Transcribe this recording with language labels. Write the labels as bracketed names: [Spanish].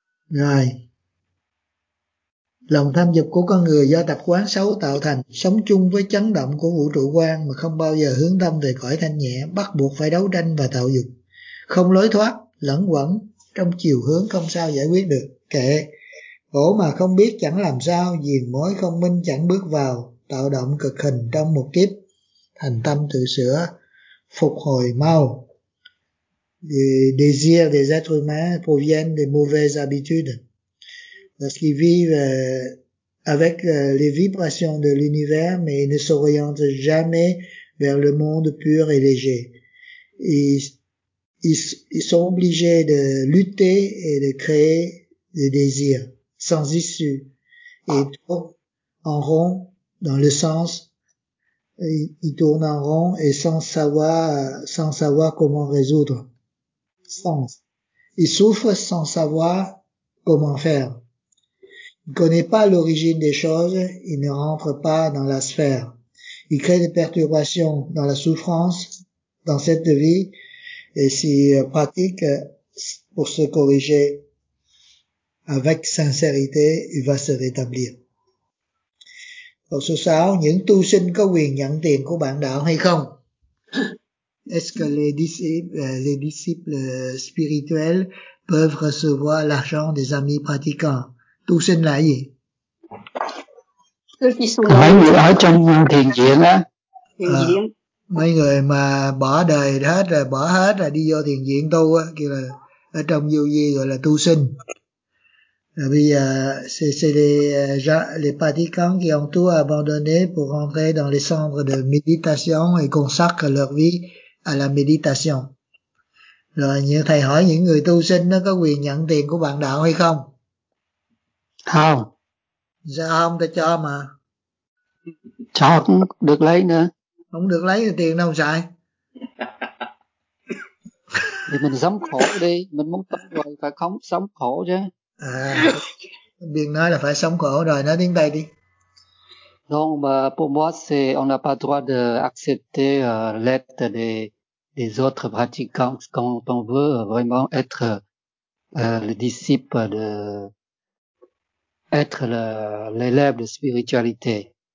[Vietnamese] Rồi, lòng tham dục của con người do tập quán xấu tạo thành, sống chung với chấn động của vũ trụ quan mà không bao giờ hướng tâm về cõi thanh nhẹ, bắt buộc phải đấu tranh và tạo dục không lối thoát, lẫn quẩn trong chiều hướng không sao giải quyết được. Kệ, khổ mà không biết chẳng làm sao, diền mối không minh chẳng bước vào, tạo động cực hình trong một kiếp, thành tâm tự sửa, phục hồi mau. [French] Le désir des êtres humains proviennent des mauvaises habitudes. Parce qu'ils vivent avec les vibrations de l'univers, mais ils ne s'orientent jamais vers le monde pur et léger. Ils sont obligés de lutter et de créer des désirs sans issue et tournent en rond dans le sens, ils tournent en rond et sans savoir comment résoudre. Sens. Ils souffrent sans savoir comment faire. Ils ne connaissent pas l'origine des choses, ils ne rentrent pas dans la sphère. Ils créent des perturbations dans la souffrance, dans cette vie, et s'y pratique pour se corriger avec sincérité, il va se rétablir. [Vietnamese] Câu số 6, những tu sinh có quyền nhận tiền của bạn đạo hay không? [French] Est-ce que les disciples spirituels peuvent recevoir l'argent des amis pratiquants? [Vietnamese] Tu sinh là gì? Mấy người ở trong thiền viện á. Mấy người mà bỏ đời hết rồi, bỏ hết rồi đi vô thiền viện tu á, kêu là ở trong vô vi gọi là tu sinh. Rồi bây giờ [French] c'est les pratiquants qui ont tout abandonné pour rentrer dans les centres de méditation et consacrent leur vie à la méditation. [Vietnamese] Rồi như thầy hỏi những người tu sinh nó có quyền nhận tiền của bạn đạo hay không? Không. Sao không, ta cho mà. Cho cũng được lấy nữa. Không được lấy thì tiền đâu xài. Thì mình sống khổ đi, mình muốn tốt rồi phải không sống khổ chứ. À, biên nói là phải sống khổ rồi, nói tiếng Tây đi. [French] Donc pour moi c'est on n'a pas droit de accepter l'aide des autres pratiquants quand on veut vraiment être le disciple de être l'élève de spiritualité.